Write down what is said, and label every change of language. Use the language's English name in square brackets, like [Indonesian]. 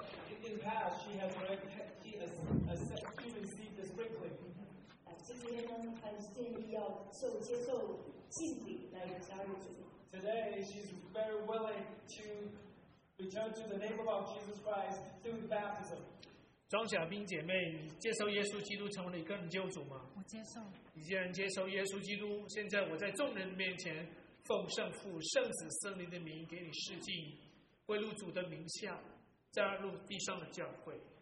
[English] In the past, she has already received the sprinkling. [Chinese] 今天呢, 她建议要受接受浸礼来加入主. [English] Today, she's very willing to return to the name of our Jesus Christ through the baptism. [Chinese] 庄小兵姐妹，你接受耶稣基督成为你个人救主吗？我接受。你既然接受耶稣基督，现在我在众人面前奉圣父、圣子、圣灵的名给你施浸，归入主的名下，加入地上的教会。